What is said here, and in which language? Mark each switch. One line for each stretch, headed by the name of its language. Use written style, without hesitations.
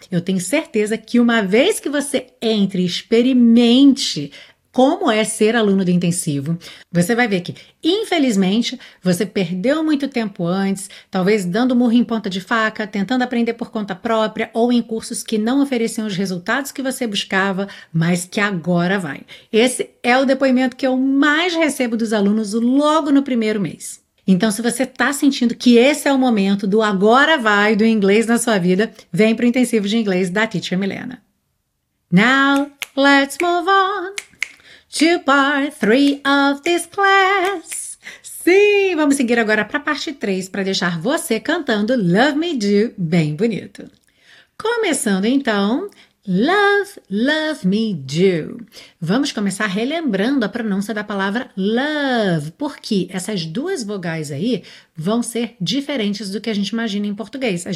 Portuguese: Eu tenho certeza que uma vez que você entre, experimente como é ser aluno do intensivo, você vai ver que, infelizmente, você perdeu muito tempo antes, talvez dando murro em ponta de faca, tentando aprender por conta própria ou em cursos que não ofereciam os resultados que você buscava, mas que agora vai. Esse é o depoimento que eu mais recebo dos alunos logo no primeiro mês. Então, se você está sentindo que esse é o momento do agora vai do inglês na sua vida, vem para o intensivo de inglês da Teacher Milena.
English: Now, let's move on to part 3 of this class.
Portuguese: Sim, vamos seguir agora para a parte 3 para deixar você cantando Love Me Do bem bonito. Começando então, Love Me Do. Vamos começar relembrando a pronúncia da palavra love, porque essas duas vogais aí vão ser diferentes do que a gente imagina em português.